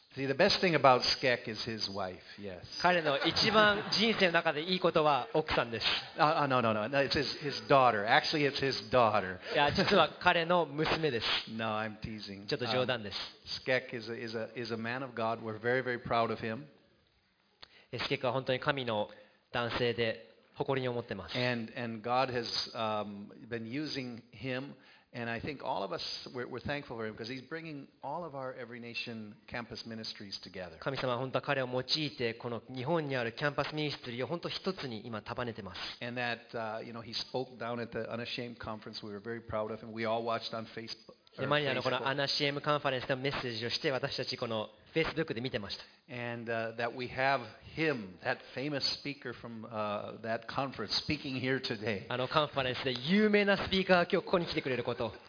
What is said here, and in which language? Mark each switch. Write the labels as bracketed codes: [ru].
[en] See, the best thing about Skek is his wife, yes. [ja] 彼の一番人生の中でいいことは奥さんです。 [en] No, it's his daughter. Actually, it's his daughter. [ja] いや、実は彼の娘です。 [en] No, I'm teasing. [ja] ちょっと冗談です。 [en] Skek is a man of God. We're very, very proud of him. [ja] Skek は本当に神の男性で誇りに思ってます。 [en] And God has been using him. And I think all of us, we're thankful for him because he's bringing all of our Every Nation campus ministries together. [ja] 神様は本当は彼を用いてこの日本にあるキャンパスミニストリーを本当一つに今束ねてます。 [en] And that, you know, he spoke down at the Unashamed conference. We were very proud of him. We all watched on Facebook. [ja] で、マニアのこのUnashamedカンファレンスでメッセージをして私たちこの Facebook で見てました。 [en] And that we have him, that famous speaker from that conference, speaking here today. [ja] あのカンファレンスで有名なスピーカーが今日ここに来てくれること。